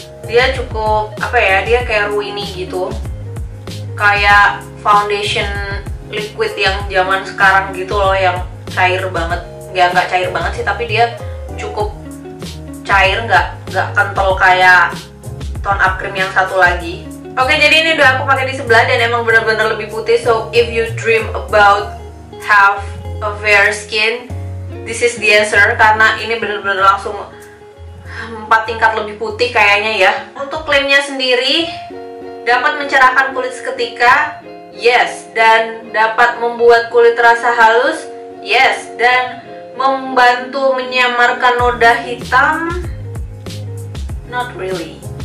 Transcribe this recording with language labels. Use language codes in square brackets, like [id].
[id] Dia cukup, apa ya, dia kayak runny gitu. Kayak foundation liquid yang zaman sekarang gitu loh, yang cair banget. Ya nggak cair banget sih, tapi dia cukup cair, nggak kental kayak Tone Up Cream yang satu lagi. Oke, jadi ini udah aku pakai di sebelah dan emang bener-bener lebih putih. [en] So, if you dream about have a fair skin, this is the answer. [id] Karena ini bener-bener langsung 4 tingkat lebih putih kayaknya ya. Untuk klaimnya sendiri, dapat mencerahkan kulit seketika, yes. Dan dapat membuat kulit terasa halus, yes. Dan membantu menyamarkan noda hitam, [en] not really.